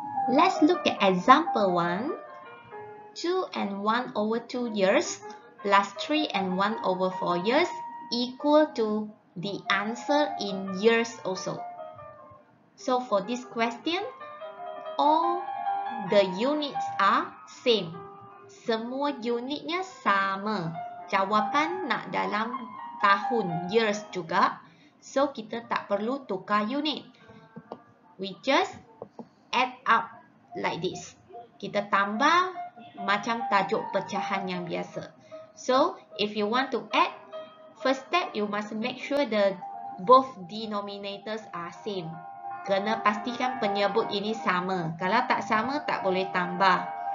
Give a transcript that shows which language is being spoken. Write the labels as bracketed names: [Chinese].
[English] Let's look at example one. 2 and 1 over 2 years plus 3 and 1 over 4 years equal to the answer in years also. So for this question, all the units are same. [Malay] Semua unitnya sama. Jawapan nak dalam tahun, years juga. So, kita tak perlu tukar unit. [English] We just add up like this. [Malay] Kita tambah macam tajuk pecahan yang biasa. [English] So, if you want to add, first step you must make sure the both denominators are same. [Malay] Kena pastikan penyebut ini sama. Kalau tak sama, tak boleh tambah.